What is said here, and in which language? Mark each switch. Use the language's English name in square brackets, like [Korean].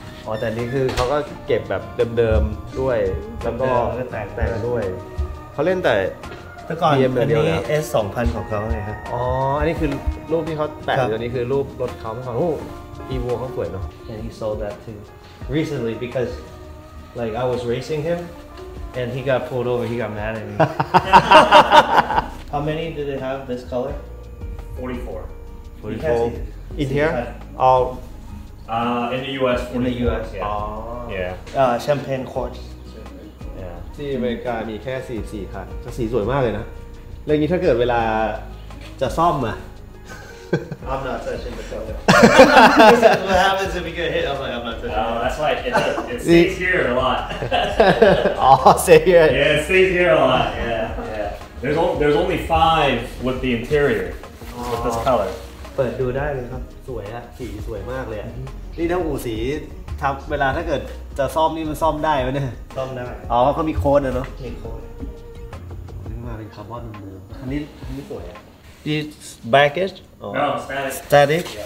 [English] Oh, but he's still keeping the same thing. And he's playing... [Thai] แต่ก่อนอันนี้ S 2000ของเขาไงครับอ๋ออันนี้คือรูปที่เขาแปะอยู่อันนี้คือรูปรถเขาเมื่อก่อนโอ้อีโวเขาสวยเนาะ [English] and he sold that too recently because like I was racing him and he got pulled over he got mad at me how many do they have this color 44 in here all in the US 44. in the US yeah yeah champagne court [Thai] ที่อเมริกามีแค่44คันจะสีสวยมากเลยนะเรื่องนี้ถ้าเกิดเวลาจะซ่อมอะ [English] I'm not touching the color What happens if you get hit I'm like I'm not touching the color That's why it stays here a lot Oh stay here Yeah it stays here a lot Yeah There's only 5 with the interior with this color [Thai] เปิดดูได้เลยครับสวยอะสีสวยมากเลยนี่ถ้าอู่สีทำเวลาถ้าเกิดจะซ่อมนี่มันซ่อมได้ไหมเนี่ย ซ่อมได้ อ๋อเขามีโค้ดเหรอ มีโค้ด นี่มาเป็นคาร์บอนเนอร์อันนี้สวยอ่ะ [English] this baggage no static